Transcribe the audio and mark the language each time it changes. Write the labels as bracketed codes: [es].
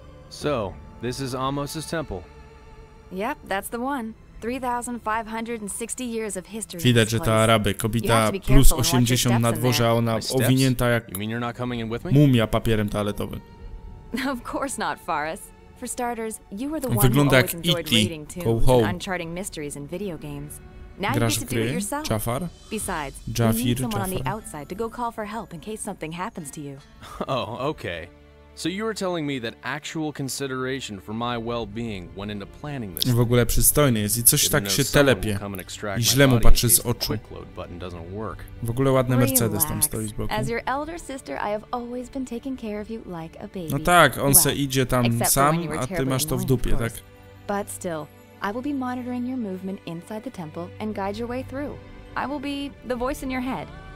[en] So, this is Amos's temple. Yep, that's the one. 3560 years of history. [pl] Widać, że to Araby. Kobieta plus 80 na dworze, a ona owinięta jak mumia papierem toaletowym. [en] Of course not, Faris. For starters, you were the one who always enjoyed reading tunes, uncharting mysteries in video games. [pl] Grasz w gry? Jafar? [en] Besides, Jafir, you need someone on the outside to go call for help in case something happens to you. Oh, okay. So you were telling me that actual consideration for my well-being went into planning this. [pl] W ogóle przystojny jest i coś tak się telepie. I źle mu patrzy z oczu. W ogóle ładny Mercedes tam stoi z boku. [en] As your elder sister, I have always been taking care of you like a baby. [pl] No tak, on se idzie tam sam, a ty masz to w dupie, tak? [en] But still, I will be monitoring your movement inside the temple and guide your way through. I will be the voice in your head.